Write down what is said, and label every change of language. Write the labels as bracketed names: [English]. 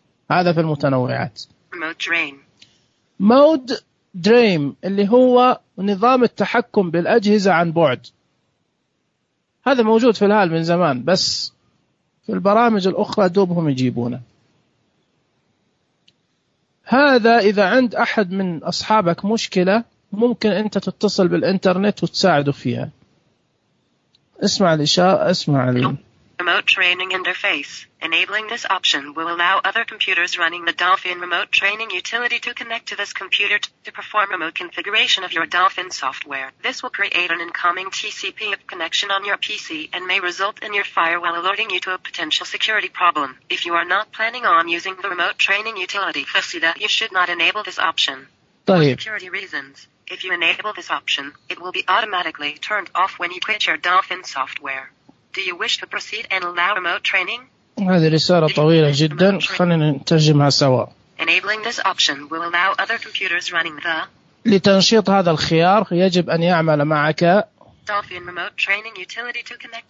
[Arabic] هذا في المتنوعات. مود دريم اللي هو نظام التحكم بالأجهزة عن بعد، هذا موجود في الهال من زمان بس في البرامج الأخرى دوبهم يجيبونه. هذا إذا عند أحد من أصحابك مشكلة ممكن أنت تتصل بالإنترنت وتساعده فيها. اسمع الإشارة، اسمع [English] Remote training interface. Enabling this option will allow other computers running the Dolphin remote training utility to connect to this computer to perform remote configuration of your Dolphin software. This will create an incoming TCP connection on your PC and may result in your firewall alerting you to a potential security problem. If you are not planning on using the remote training utility, you should not enable this option. [Arabic] طيب. [English] For security reasons, if you enable this option, it will be automatically turned off when you quit your Dolphin software. Do you wish to proceed and allow remote training? [Arabic] هذه رسالة طويلة جدا، خلينا نترجمها سوا. [English] Enabling this option will allow other computers running the [Arabic] لتنشيط هذا الخيار يجب أن يعمل معك [English] Dolphin remote training utility to connect